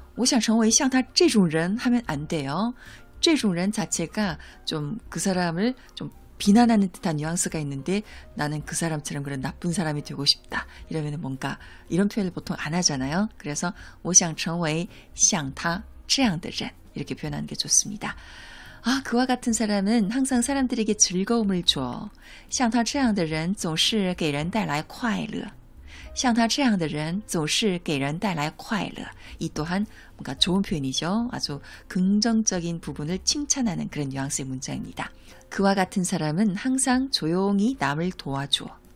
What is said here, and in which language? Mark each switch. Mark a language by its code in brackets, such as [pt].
[zh] 我想成为像他这种人 [ko] 하면 안 돼요. 这种人 자체가 좀 그 사람을 좀 비난하는 듯한 뉘앙스가 있는데 나는 그 사람처럼 그런 나쁜 사람이 되고 싶다. 이러면 뭔가 이런 표현을 보통 안 하잖아요. 그래서 [zh] 我想成为像他这样的人 [ko] 이렇게 표현하는 게 좋습니다. 아, 그와 같은 사람은 항상 사람들에게 즐거움을 줘. [zh] 像他这样的人总是给人带来快乐。像他这样的人总是给人带来快乐. [ko] 이 또한 뭔가 좋은 표현이죠. 아주 긍정적인 부분을 칭찬하는 그런 뉘앙스의 문장입니다. 그와 같은 사람은 항상 조용히 남을 도와줘.